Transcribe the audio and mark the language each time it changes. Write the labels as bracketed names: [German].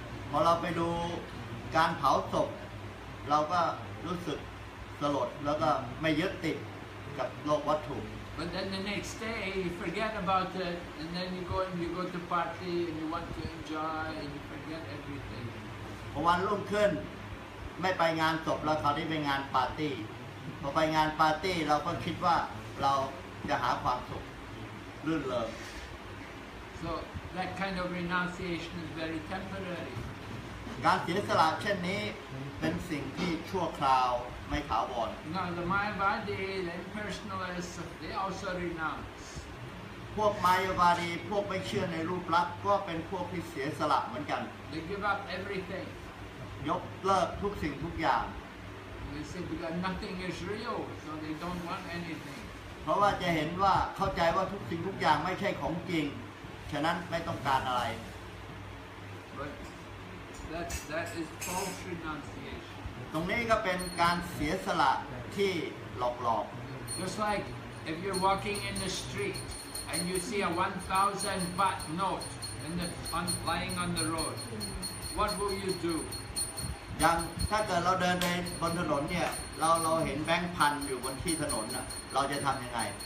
[Thai] พอเราไปดูการเผาศพเราก็รู้สึกสลดแล้วก็ไม่ยึดติดกับโลกวัตถุ [English] But then the next day you forget about it and then you go to party and you want to enjoy and you forget everything [Thai] พอวันรุ่งขึ้นไม่ไปงานศพแล้วคราวนี้ไปงานปาร์ตี้พอไปงานปาร์ตี้เราก็คิดว่าเราจะหาความสุขรื่นเริง [English] So that kind of renunciation is very temporary. [Thai] การเสียสละเช่นนี้เป็นสิ่งที่ชั่วคราวไม่ถาวร [English] Now the Mayavadi, the impersonalists, they also renounce. [Thai] พวก Mayavadi, พวกไม่เชื่อในรูปลักษณ์ก็เป็นพวกที่เสียสละเหมือนกัน [English] They give up everything. [Thai] ยกเลิกทุกสิ่งทุกอย่าง [English] They say because nothing is real, so they don't want anything. [Thai] เพราะว่าจะเห็นว่าเข้าใจว่าทุกสิ่งทุกอย่างไม่ใช่ของจริงฉะนั้นไม่ต้องการอะไร [English] But that is false renunciation. [Thai] ตรงนี้ก็เป็นการเสียสละที่หลอก [English] ๆ Just like if you're walking in the street and you see a 1,000 baht note and it's lying on the road, what will you do? [Thai] อย่างถ้าเกิดเราเดินในบนถนนเนี่ยเราเห็นแบงค์พันอยู่บนที่ถนนนะเราจะทำยังไง